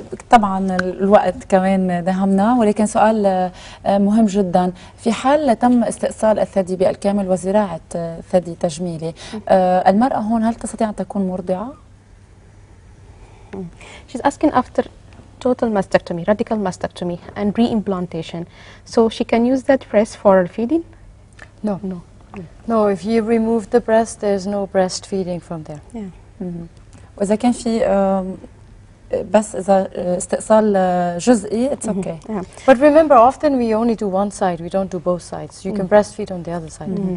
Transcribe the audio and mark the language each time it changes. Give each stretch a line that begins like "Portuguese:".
Arabic: طبعا الوقت كمان دهمنا ولكن سؤال مهم جدا في حال تم استئصال الثدي بالكامل وزراعة ثدي تجميلي المرأة هون هل تستطيع أن تكون مرضعة؟
English: She's asking after total mastectomy, radical mastectomy and re-implantation so she can use that breast for feeding? No, if you remove the breast there's no breast feeding from there
Arabic: وإذا كان في بس إذا استئصال جزئي
English: it's okay. But remember often we only do one side we don't do both sides you can breastfeed on the other side.